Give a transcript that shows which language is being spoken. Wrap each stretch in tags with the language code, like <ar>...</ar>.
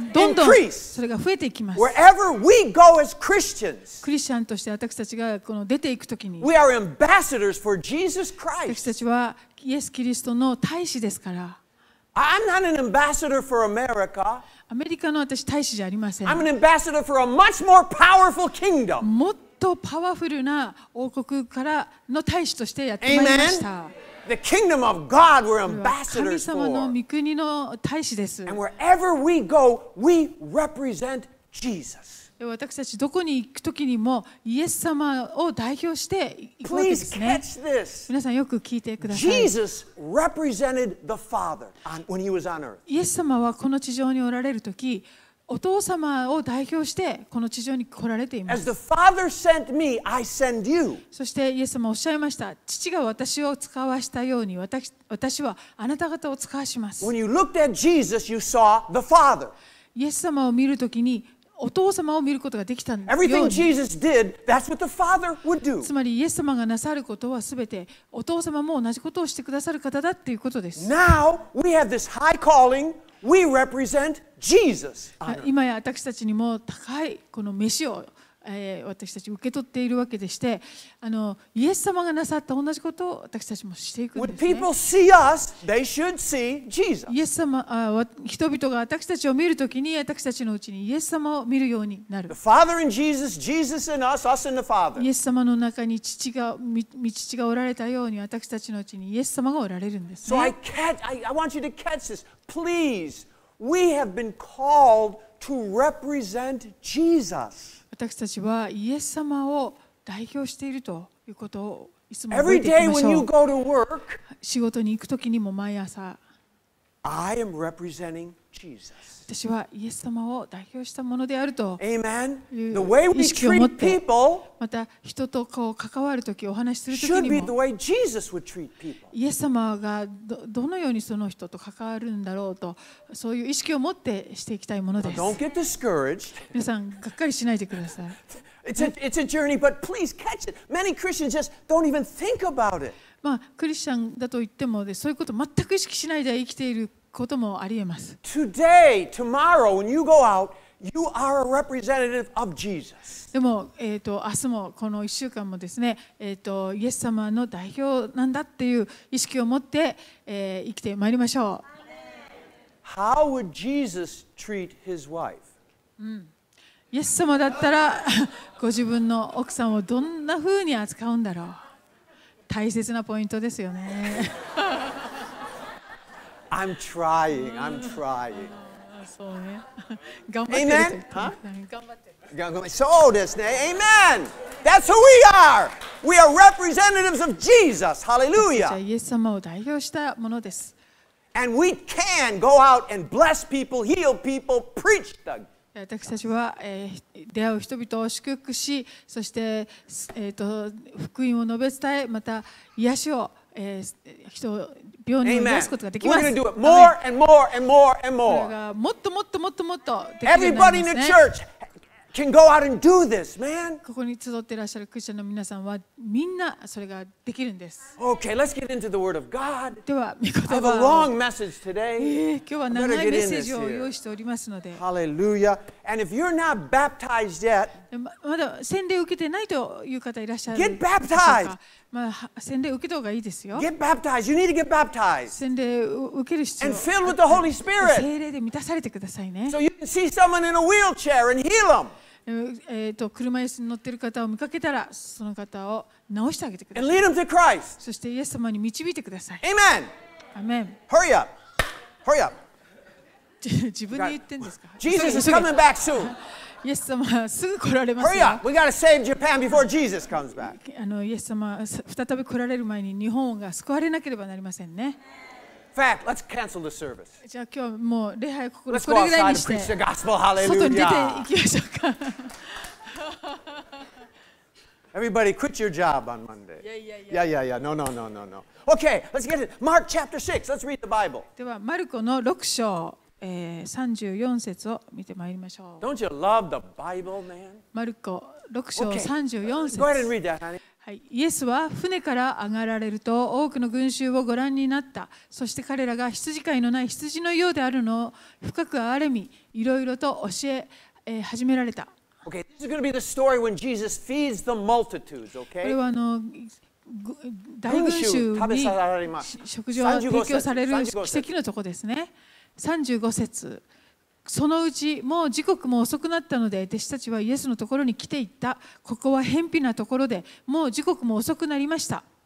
<ja>どんどんそれが増えていきます。</ja> <en>Wherever we go as Christians,</en> <ja>クリスチャンとして私たちがこの出ていくときに、</ja> <en>we are ambassadors for Jesus Christ.</en> <ja>私たちはイエス・キリストの大使ですから。</ja> <en>I'm not an ambassador for America.</en> <ja>アメリカの私大使じゃありません。</ja> <en>I'm an ambassador for a much more powerful kingdom.</en> <ja>もっととパワフルな王国からの大使としてやってまいりました。</ja> <en>The kingdom of God, we're ambassadors for.</en> <ja>神様の御国の大使です。</ja> <en>And wherever we go, we represent Jesus.</en> <ja>私たちどこに行くときにもイエス様を代表して行くわけですね。</ja> <en>Please catch this.</en> <ja>皆さんよく聞いてください。</ja> <en>Jesus represented the Father when he was on earth.</en> <ja>イエス様はこの地上におられるとき、お父様を代表してこの地上に来られています。</ja> <en>As the Father sent me, I send you.</en> <ja>そしてイエス様おっしゃいました。父が私を使わしたように私はあなた方を使わします。</ja> <en>When you looked at Jesus, you saw the Father.</en> <ja>イエス様を見るときにお父様を見ることができたように。</ja> <en>Everything Jesus did, that's what the Father would do.</en> <ja>つまりイエス様がなさることはすべてお父様も同じことをしてくださる方だということです。</ja> <en>Now we have this high calling. We represent Jesus.</en> <ja>今や私たちにも高いこの召しを、私たち受け取っているわけでして、イエス様がなさった同じことを私たちもしていくんですね。</ja> <en>When people see us, they should see Jesus.</en> <ja>イエス様、人々が私たちを見るときに私たちのうちにイエス様を見るようになる。</ja> <en>The Father in Jesus, Jesus in us, us in the Father.</en> <ja>イエス様の中に父が、御父がおられたように私たちのうちにイエス様がおられるんですね。</ja> <en>So I want you to catch this. Please, we have been called to represent Jesus.</en> <ja>私たちはイエス様を代表しているということをいつも覚えていきましょう。</ja> <en>Every day when you go to work,</en> <ja>仕事に行くときにも毎朝、</ja> <en>I am representing Jesus.</en> <ja>私はイエス様を代表したものであると。</ja> <en>Amen. The way we treat people,</en> <ja>また人とこう関わるとき、お話しするときにも、</ja> <en>should be the way Jesus would treat people.</en> <ja>イエス様が どのようにその人と関わるんだろうと、そういう意識を持ってしていきたいものです。</ja> <en>Don't get discouraged.</en> <ja>皆さんがっかりしないでください。</ja> <en>It's a journey, but please catch it. Many Christians just don't even think about it.</en> <ja>まあ、クリスチャンだと言ってもで、そういうことを全く意識しないで生きていることもありえます。</ja> <en>Today, tomorrow, when you go out, you are a representative of Jesus.</en> <ja>でも、明日もこの1週間もですね、イエス様の代表なんだっていう意識を持って、生きてまいりましょう。</ja> <en>How would Jesus treat his wife?</en> <ja>イエス様だったらご自分の奥さんをどんな風に扱うんだろう。大切なポイントですよね。</ja> <en>I'm trying.</en> <ja>そうね。頑張ってる。</ja> <en>Amen?</en> <ja>頑張ってる。そうですね。</ja> <en>Amen! That's who we are! We are representatives of Jesus! Hallelujah!</en> <ja>イエス様を代表したものです。</ja> <en>And we can go out and bless people, heal people, preach the gospel.</en> <ja>私たちは、出会う人々を祝福し、そして、福音を述べ伝え、また癒しを、人を病人を癒すことができます。</ja> <en>Amen. We're gonna do it more and more and more and more.</en> <ja>これがもっともっともっともっとできるようになりますね。</ja> <en>Everybody in the church, can go out and do this, man.</en> <ja>ここに集っていらっしゃるクリスチャンの皆さんはみんなそれができるんです。</ja> <en>Okay, let's get into the word of God.</en> <ja>では御言葉。</ja> <en>I have a long message today.</en> <ja>今日は長いメッセージを用意しておりますので。</ja> <en>Hallelujah. And if you're not baptized yet,</en> <ja>まだ洗礼を受けてないという方いらっしゃる。</ja> <en>Get baptized.</en> <ja>まあ洗礼を受けた方がいいですよ。</ja> <en>Get baptized. You need to get baptized.</en> <ja>洗礼を受ける必要。</ja> <en>And filled with the Holy Spirit.</en> <ja>聖霊で満たされてくださいね。</ja> <en>So you can see someone in a wheelchair and heal them.</en> <ja>車椅子に乗っている方を見かけたらその方を直してあげてください。</ja> <en>And lead them to Christ.</en> <ja>そしてイエス様に導いてください。</ja> <en>Amen. Amen. Hurry up. Hurry up.</en> <ja>自分に言ってんですか。</ja> <en>Jesus is coming back soon.</en> <ja>イエス様すぐ来られます。</ja> <en>Hurry up. We gotta save Japan before Jesus comes back.</en> <ja>イエス様再び来られる前に日本が救われなければなりませんね。</ja> <en>Fact. Let's cancel the service.</en> <ja>じゃあ今日もう礼拝ここれぐらいにして。</ja> <en>Let's go outside and preach the gospel. Hallelujah.</en> <ja>外に出て行きましょうか。</ja> <en>Everybody, quit your job on Monday. Yeah. No. Okay, let's get it. Mark chapter 6. Let's read the Bible.</en> <ja>ではマルコの六章34節を見てまいりましょう。</ja> <en>Don't you love the Bible, man?</en> <ja>マルコ六章三十四節。</ja> <en>Go ahead and read that, honey.</en> <ja>はい、イエスは船から上がられると多くの群衆をご覧になった。そして彼らが羊飼いのない羊のようであるのを深く憐れみ、いろいろと教え始められた。</ja> <en>Okay, this is going to be the story when Jesus feeds the multitudes, okay?</en> <ja>これは大群衆に食事を提供される奇跡のとこですね。 35節。そのうちもう時刻も遅くなったので弟子たちはイエスのところに来ていった。ここは偏僻なところでもう時刻も遅くなりました。</ja>